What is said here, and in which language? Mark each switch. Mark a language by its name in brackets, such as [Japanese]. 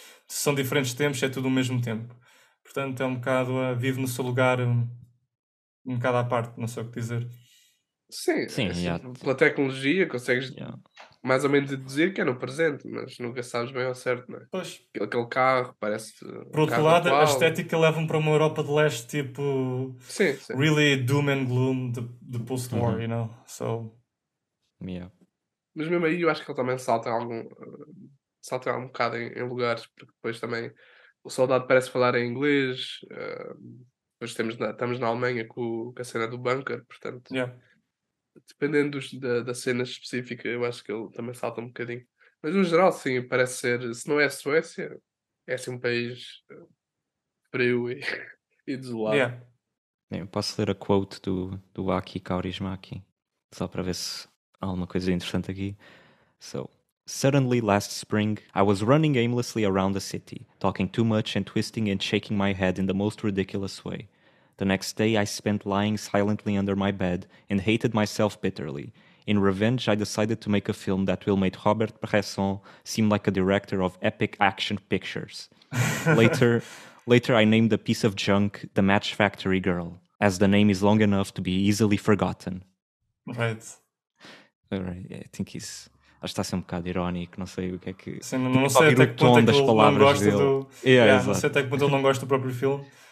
[Portuguese] Se são diferentes tempos, é tudo o mesmo tempo, portanto é um bocado vive no seu lugar, um bocado à parte, não sei o que dizer. Sim. Pela tecnologia consegues mais ou menos deduzir que é no presente, mas nunca sabes bem ao certo, não é? Pois. Aquele carro parece... Por outro lado, a estética leva-me para uma Europa de Leste, tipo... Sim. [English] Really doom and gloom, the post-war, you know? So... Yeah. [Portuguese] Mas mesmo aí, eu acho que ele também salta um bocado em lugares, porque depois também o soldado parece falar em inglês, depois estamos na Alemanha com a cena do bunker, portanto... [English] Yeah. [Portuguese] Dependendo da cena específica, eu acho que ele também salta um bocadinho. Mas no geral, sim, parece ser, se não é a Suécia, é assim um país frio e desolado. [English] Yeah. [Portuguese] Eu posso ler a quote do Aki Kaurismäki, só para ver se há alguma coisa interessante aqui. [English] So, suddenly last spring, I was running aimlessly around the city, talking too much and twisting and shaking my head in the most ridiculous way. The next day I spent lying silently under my bed and hated myself bitterly. In revenge, I decided to make a film that will make Robert Bresson seem like a director of epic action pictures. Later, I named a piece of junk The Match Factory Girl. as the name is long enough to be easily forgotten. Right. Right. I think he's... [Portuguese] Acho que está a ser um bocado irónico, não sei o que é que... Sim, não sei até que ponto das palavras não gosta dele. Do... Yeah, yeah, não sei até que ponto ele não gosta do próprio filme.